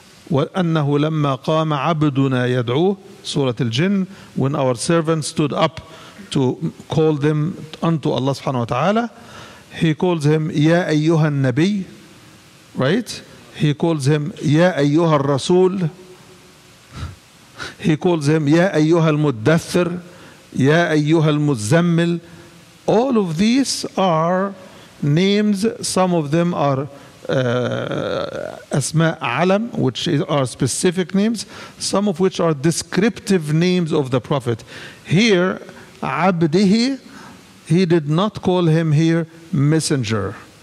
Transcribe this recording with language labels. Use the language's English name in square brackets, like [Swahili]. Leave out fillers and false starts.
[Arabic] وَأَنَّهُ لَمَّا قَامَ عَبْدُنَا يَدْعُوهُ [English] Surah Al-Jinn, when our servant stood up to call them unto Allah subhanahu wa ta'ala, he calls him [Arabic] يَا أَيُّهَا النَّبِيُّ, [English] right? He calls him [Arabic] يَا أَيُّهَا الرَّسُولُ. [English] He calls him [Arabic] يَا أَيُّهَا الْمُدَّثِّرُ, يَا أَيُّهَا الْمُزَّمِّلُ. [English] All of these are names, some of them are Asma' Alam, which are specific names, some of which are descriptive names of the Prophet. Here, Abdihi, he did not call him here messenger.